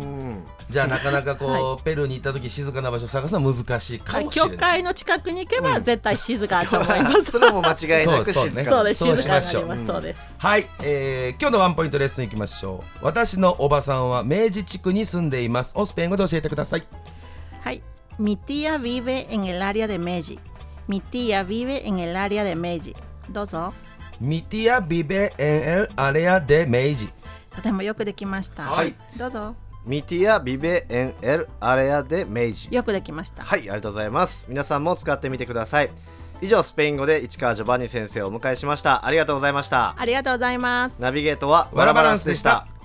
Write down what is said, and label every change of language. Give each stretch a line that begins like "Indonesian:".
Japanese: うん、じゃあなかなかこう、はい、ペルーに行った時静かな場所を探すのは難しいかもしれない。教会の近くに行けば絶対静かと思います、うん、それも間違いなく静かそうです、静かになります、うん、そうです。はい、今日のワンポイントレッスンいきましょう。私のおばさんは明治地区に住んでいます。オスペン語で教えてください。
Spanish: はい、mi tía vive en el área de Meiji. mi tía vive en el área de Meiji.
Japanese: どうぞ。
Spanish: mi tía vive en el área de Meiji.
Japanese: とてもよくできました。はい、どうぞ。
Spanish: ミティア・ビベ・エン・エル・アレア・デ・メイジ、
Japanese: よくできました。はい、ありがとうございます。皆さんも使ってみてください。以上、スペイン語で市川ジョバンニ先生をお迎えしました。ありがとうございました。ありがとうございます。ナビゲートはワラバランスでした。